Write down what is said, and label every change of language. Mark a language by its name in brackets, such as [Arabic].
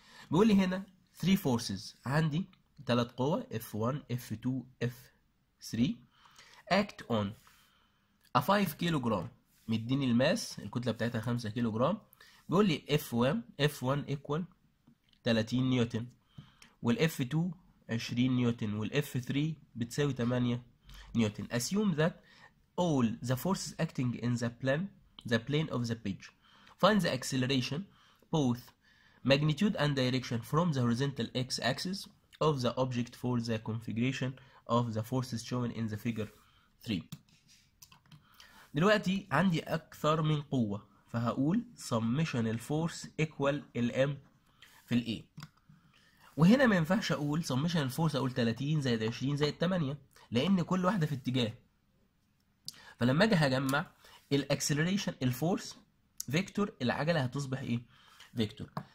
[Arabic] بيقول لي هنا 3 forces، عندي 3 قوى F1 F2 F3 [English] act on a [Arabic] 5 كيلوغرام، مديني الماس الكتلة بتاعتها 5 كيلوغرام. بيقول لي F1 equal 30 نيوتن، وال F2 20 نيوتن، وال F3 بتساوي 8 نيوتن. [English] assume that all the forces acting in the plane of the page. Find the acceleration, both magnitude and direction, from the horizontal x-axis of the object for the configuration of the forces shown in the figure 3. [Arabic] دلوقتي عندي أكثر من قوة، فهقول [English] summational force equal [Arabic] الM في الA. وهنا ما ينفعش أقول summational force أقول 30 زائد 20 زائد 8، لأن كل واحدة في اتجاه. فلما أجي هجمع الـ acceleration الـ force فيكتور، العجلة هتصبح ايه؟ فيكتور.